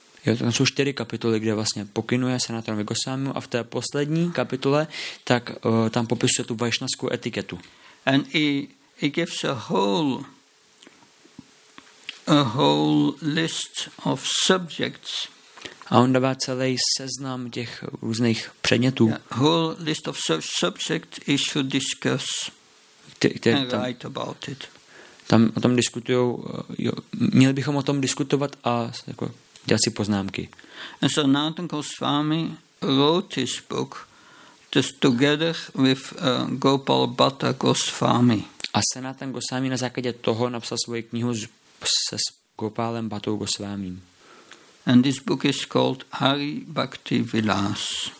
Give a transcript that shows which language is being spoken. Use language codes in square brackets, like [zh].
[cs] Jo, tam jsou 4 kapitoly, kde vlastně pokynuje Sanatanovi Goswamimu a v té poslední kapitole tak tam popisuje tu vaishnavskou etiketu. [en] And he gives a whole list of subjects. [cs] A on dává celý seznam těch různých předmětů. [en] Yeah, whole list of subjects he should discuss and write about it. [cs] Tam o tom diskutujou, jo, měli bychom o tom diskutovat a jako dělat si poznámky. [en] And so Sanatan Goswami wrote his book just together with Gopal Bhatta Goswami. [cs] A Sanatan Goswami na základě toho napsal svoji knihu se Gopalem Bhattou Goswamím. [en] And this book is called Hari Bhakti Vilas.